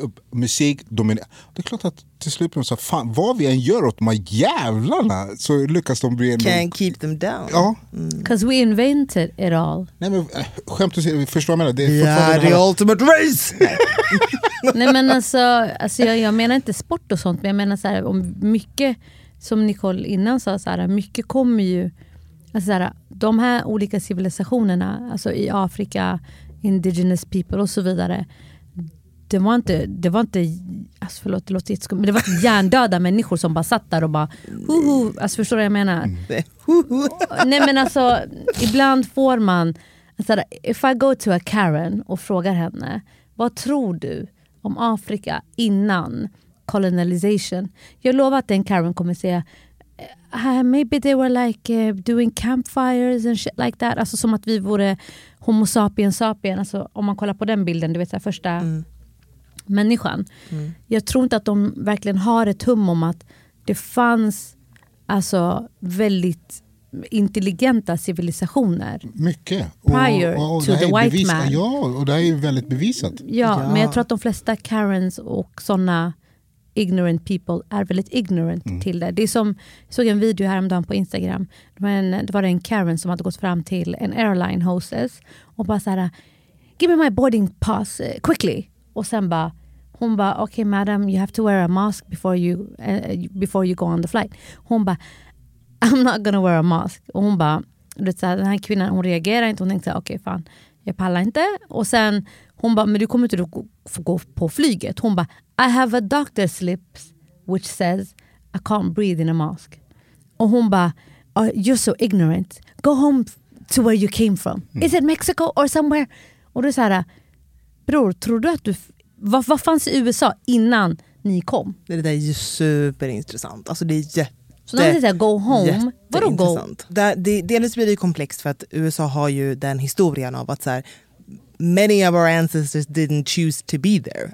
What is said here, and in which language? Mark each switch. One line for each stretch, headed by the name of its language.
Swedish: Musik dominerar. Det är klart att till slut blir de så här, fan, vad vi än gör åt de här jävlarna, så lyckas de bli en...
English: Can't keep them down.
Swedish: Ja.
English: Because we invented it all.
Swedish: Nej, men skämt att säga, förstår vad jag menar? Det är
English: the ultimate race!
Swedish: Nej, men alltså jag menar inte sport och sånt, men jag menar så här, om mycket, som Nicole innan sa, så här, mycket kommer ju... Alltså så här, de här olika civilisationerna, alltså i Afrika,
English: indigenous people
Swedish: och så vidare, det var inte alltså förlåt, det låter jätteskumt, men det var inte hjärndöda människor som bara satt där och bara huhu, alltså förstår du vad jag menar? Nej, men alltså ibland får man alltså,
English: if I go to a Karen
Swedish: och frågar henne, vad tror du om Afrika innan colonization? Jag lovar att en Karen kommer säga
English: Maybe they were like doing campfires and shit like that.
Swedish: Alltså som att vi vore homo sapiens sapien. Alltså om man kollar på den bilden, du vet, den första människan. Mm. Jag tror inte att de verkligen har ett hum om att det fanns alltså väldigt intelligenta civilisationer. Mycket.
English: Prior to the white
Swedish: bevisat.
English: Man.
Swedish: Ja, och det är ju väldigt bevisat. Ja, men jag tror att de flesta Karens och såna
English: ignorant people
Swedish: är väldigt ignorant till det. Det är som, jag såg en video häromdagen på Instagram, men det var en Karen som hade gått fram till en
English: airline hostess
Swedish: och bara såhär,
English: give me my boarding pass quickly.
Swedish: Och sen bara, hon bara,
English: okay madam, you have to wear a mask before you go on the flight.
Swedish: Hon bara,
English: I'm not gonna wear a mask.
Swedish: Och hon bara, den här kvinnan, hon reagerar inte, hon tänkte okay, fan, jag pallar inte. Och sen hon bara, men du kommer inte att gå på flyget. Hon bara,
English: I have a doctor's slip which says I can't breathe in a mask.
Swedish: Och hon bara,
English: you're so ignorant. Go home to where you came from. Is it Mexico or somewhere?
Swedish: Och du säger, bror, tror du att du... Vad fanns i USA innan ni kom? Det där är ju superintressant. Alltså det är Så när du säger
English: go home,
Swedish: vad då go? Delvis blir det ju komplext för att USA har ju den historien av att så här,
English: many of our ancestors didn't choose to be there.